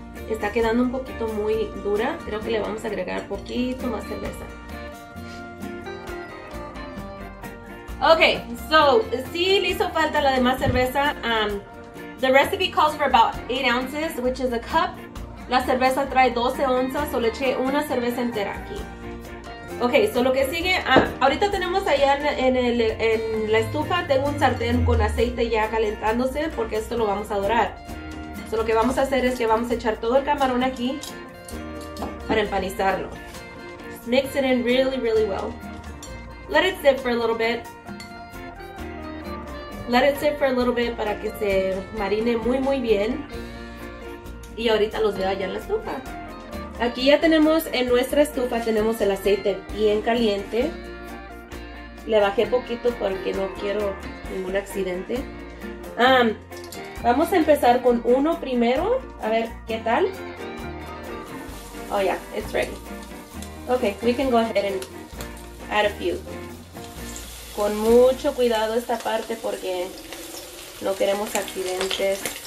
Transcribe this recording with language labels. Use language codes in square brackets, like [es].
[es] Está quedando un poquito muy dura. Creo que le vamos a agregar un poquito más cerveza. Ok, so, sí le hizo falta la demás cerveza. [en] The recipe calls for about 8 ounces, which is a cup. [es] La cerveza trae 12 onzas, solo eché 1 cerveza entera aquí. Ok, so lo que sigue, ahorita tenemos allá en la estufa, tengo un sartén con aceite ya calentándose porque esto lo vamos a dorar. So lo que vamos a hacer es que vamos a echar todo el camarón aquí para empanizarlo. [en] Mix it in really, really well. Let it sit for a little bit. Let it sit for a little bit [es] para que se marine muy, muy bien. Y ahorita los veo allá en la estufa. Aquí ya tenemos en nuestra estufa, tenemos el aceite bien caliente. Le bajé poquito porque no quiero ningún accidente. Vamos a empezar con uno primero, a ver qué tal. [en] Oh yeah, it's ready. Okay, we can go ahead and add a few. [es] Con mucho cuidado esta parte porque no queremos accidentes.